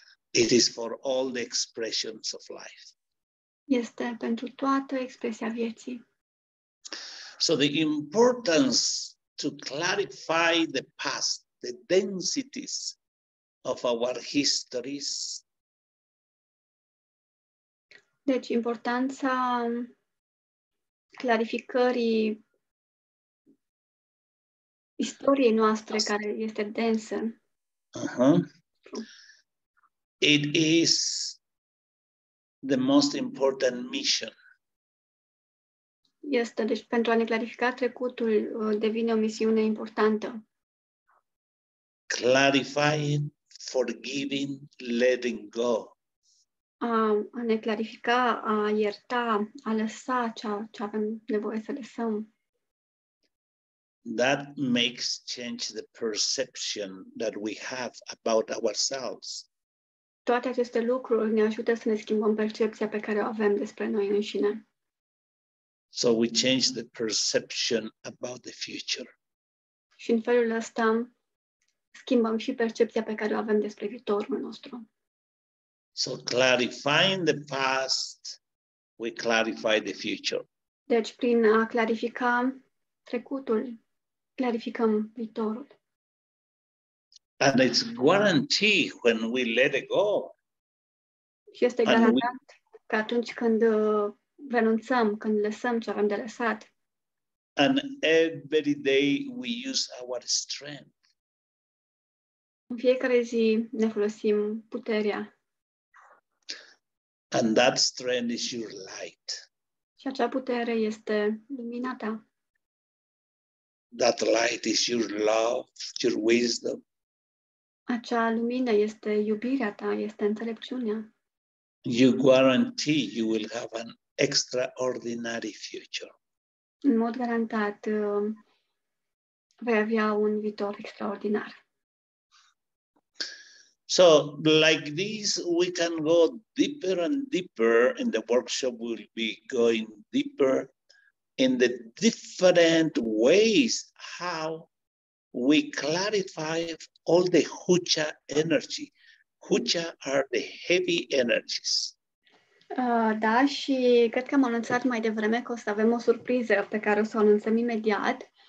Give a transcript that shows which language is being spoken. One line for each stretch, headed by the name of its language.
English: It is for all the expressions of life.
Romanian: Este pentru toată expresia vieții.
English: So the importance to clarify the past, the densities of our histories.
Romanian: Deci importanța clarificării istoriei noastre care este densă.
English: It is the most important mission.
Romanian: Este, deci pentru a ne clarifica trecutul devine o misiune importantă.
English: Clarifying, forgiving, letting go.
Romanian: A ne clarifica, a ierta, a lăsa ce avem nevoie să lăsăm.
English: That makes change the perception that we have about ourselves
Romanian: toate aceste lucruri ne ajută să ne schimbăm percepția pe care o avem despre noi înșine.
English: So we change the perception about the future.
Romanian: Și în felul ăsta schimbăm și percepția pe care o avem despre viitorul nostru.
English: So clarifying the past, we clarify the future.
Romanian: Deci prin a clarifica trecutul, clarificăm viitorul.
English: And it's guaranteed when we let it go.
Romanian: Și este garantat că atunci când renunțăm, când lăsăm ce avem de lăsat.
English: And every day we use our strength.
Romanian: În fiecare zi ne folosim puterea.
English: And that strength is your light.
Romanian: Și acea putere este lumina ta.
English: That light is your love, your wisdom.
Romanian: Acea lumină este iubirea ta, este înțelepciunea.
English: You guarantee you will have an extraordinary future.
Romanian: În mod garantat, vei avea un viitor extraordinar.
English: So, like this, we can go deeper and deeper in the workshop. We'll be going deeper in the different ways how we clarify all the hucha energy. Hucha are the heavy energies.
Romanian: Da, și cred că am anunțat mai devreme că o să avem o surpriză pe care o să o anunțăm imediat.